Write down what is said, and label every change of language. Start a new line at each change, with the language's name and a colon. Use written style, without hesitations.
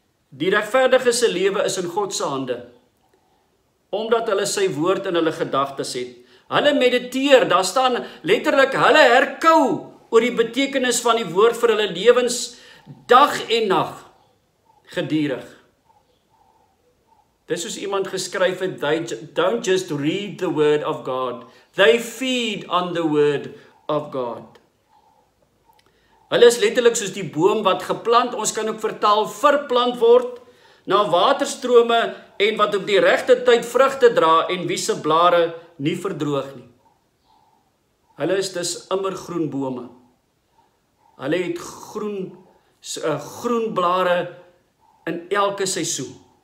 Afrikaans: Die regverdige se lewe is in God se hande, omdat hulle sy woord in hulle gedagtes het. Hulle mediteer, daar staan letterlik, hulle herkou oor die betekenis van die woord vir hulle lewens dag en nag gedurig. Dis soos iemand geskryf het,
English: they don't just read the word of God, they feed on the word of God.
Afrikaans: Hulle is letterlik soos die boom wat geplant, ons kan ook vertaal, verplant word, na waterstrome en wat op die regte tyd vrugte dra en wie se blare nie verdroog nie. Hulle is dus immer groen bome. Hulle het groen blare in elke seisoen.